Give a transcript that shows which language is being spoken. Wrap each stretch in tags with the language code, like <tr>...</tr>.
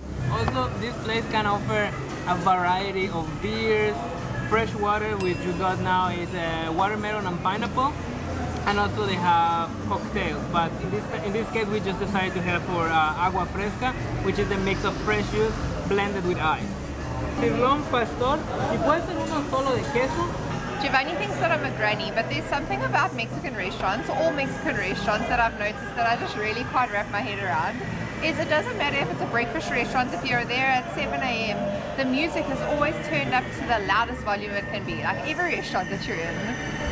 <en>Also, this place can offer a variety of beers. Fresh water, which you got now, is watermelon and pineapple, and also they have cocktails. But in this case, we just decided to head for agua fresca, which is the mix of fresh juice blended with ice.</en> <es>Cirlón pastor, ¿y puede ser uno solo de queso?</es> <en>Giovanni thinks that I'm a granny, but there's something about Mexican restaurants, all Mexican restaurants that I've noticed that I just really can't wrap my head around. Is it doesn't matter if it's a breakfast restaurant, if you're there at 7 a.m, the music is always turned up to the loudest volume it can be, like every restaurant that you're in.</en>